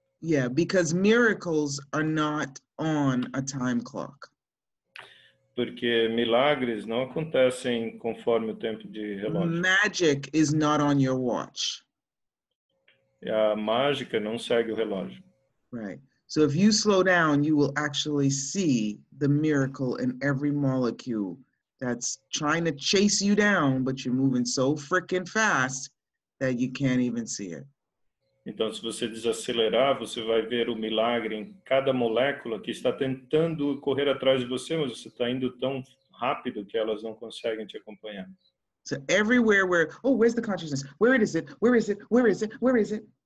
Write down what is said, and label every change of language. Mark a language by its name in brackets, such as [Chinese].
[English] Yeah, because miracles are not on a time clock. [Portuguese] Porque milagres não acontecem conforme o tempo de relógio. [English] Magic is not on your watch. [Portuguese] A mágica não segue o relógio. [English] Right. So if you slow down, you will actually see the miracle in every molecule that's trying to chase you down, but you're moving so freaking fast that you can't even see it. [Portuguese] Então, se você desacelerar, você vai ver o milagre em cada molécula que está tentando correr atrás de você, mas você está indo tão rápido que elas não conseguem te acompanhar. [English] So everywhere where, oh, where's the consciousness? Where is it? Where is it? Where is it? Where is it?